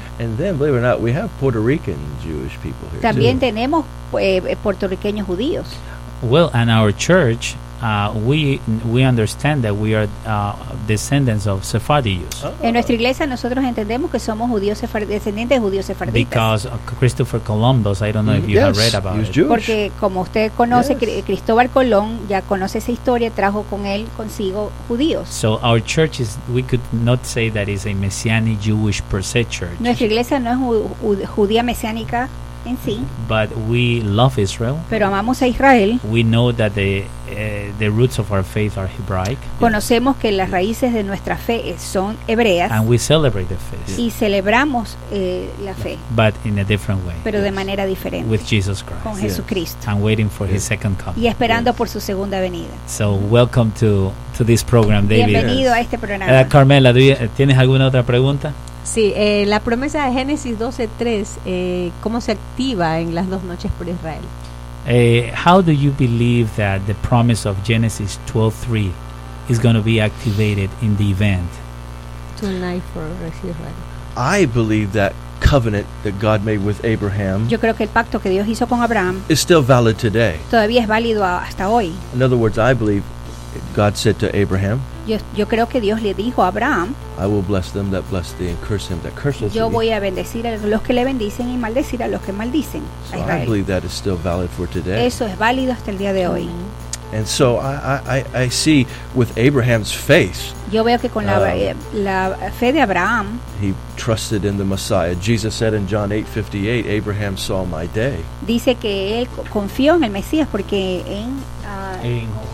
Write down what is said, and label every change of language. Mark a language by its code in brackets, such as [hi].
[en] And then, believe it or not, we have Puerto Rican Jewish people here. [es] También [en] too. [es] Tenemos puertorriqueños judíos. [en] Well, and our church, we understand that we are descendants of Sephardi Jews. [es] En nuestra iglesia nosotros entendemos que somos judíos descendientes de judíos sefarditas. [en] Because Christopher Columbus, I don't know if you yes, have read about he's it. Jewish. [es] Porque como usted conoce, [en] yes. [es] Cristóbal Colón ya conoce esa historia, trajo con él consigo judíos. [en] So our church is, we could not say that is a messianic Jewish per se church. [es] Nuestra iglesia no es judía mesiánica. En sí. [en] But we love Israel. [es] Pero amamos a Israel. [en] We know that the roots of our faith are Hebraic. [es] Conocemos que las raíces de nuestra fe son hebreas. [en] And we celebrate the feast. [es] Y celebramos la fe. [en] But in a different way. [es] Pero [en] yes. [es] De manera diferente. [en] With Jesus Christ. [es] Con Jesucristo. [en] And waiting for his second coming. [es] Y esperando por su segunda venida. [en] So welcome to this program, David. [es] Bienvenido a este programa. Carmela, ¿tienes alguna otra pregunta? Sí, la promesa de Génesis 12:3, ¿cómo se activa en las dos noches por Israel? [en] How do you believe that the promise of Genesis 12:3 is going to be activated in the event? Tonight for Israel. I believe that covenant that God made with Abraham. [es] Yo creo que el pacto que Dios hizo con Abraham [en] is still valid today. [es] Todavía es válido hasta hoy. [en] In other words, I believe God said to Abraham. [es] Yo creo que Dios le dijo a Abraham. [en] I will bless them that bless thee and curse him that curses thee. [es] Yo voy a bendecir a los que le bendicen y maldecir a los que maldicen. [en] So I believe that is still valid for today. [es] Eso es válido hasta el día de hoy. [en] And so I see with Abraham's faith. [es] Yo veo que con la fe de Abraham. [en] He trusted in the Messiah. Jesus said in John 8:58, Abraham saw my day. [es] Dice que él confió en el Mesías porque en